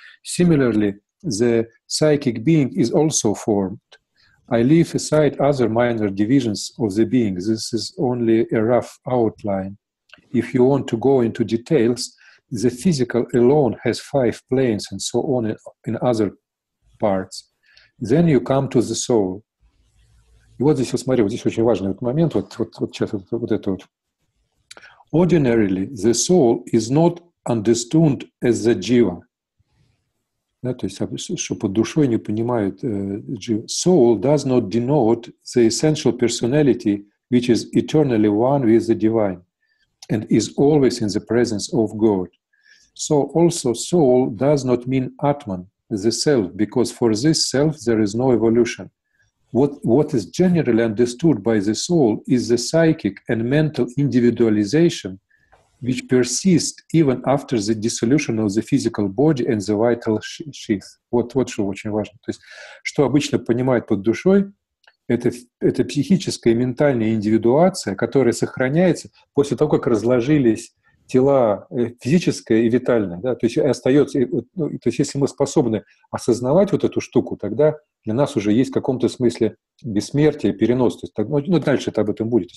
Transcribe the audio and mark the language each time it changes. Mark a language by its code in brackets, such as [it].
[en] Similarly, the psychic being is also formed. I leave aside other minor divisions of the being. This is only a rough outline. If you want to go into details, the physical alone has five planes and so on in other parts. Then you come to the soul. [ru] И вот здесь, вот смотри, вот здесь очень важный вот момент, вот сейчас. [en] Ordinarily, the soul is not understood as the jiva. [ru] Да, то есть, что под душой не понимают jiva. [en] Soul does not denote the essential personality, which is eternally one with the divine, and is always in the presence of God. So also soul does not mean Atman, the self, because for this self there is no evolution. What is generally understood by the soul is the psychic and mental individualization which persists even after the dissolution of the physical body and the vital sheath. [ru] Вот что очень важно. То есть, что обычно понимают под душой, это психическая и ментальная индивидуация, которая сохраняется после того, как разложились тела физическое и витальное, да, то есть остается, ну, то есть если мы способны осознавать вот эту штуку, тогда для нас уже есть в каком-то смысле бессмертие, перенос, то есть, ну, дальше это об этом будет.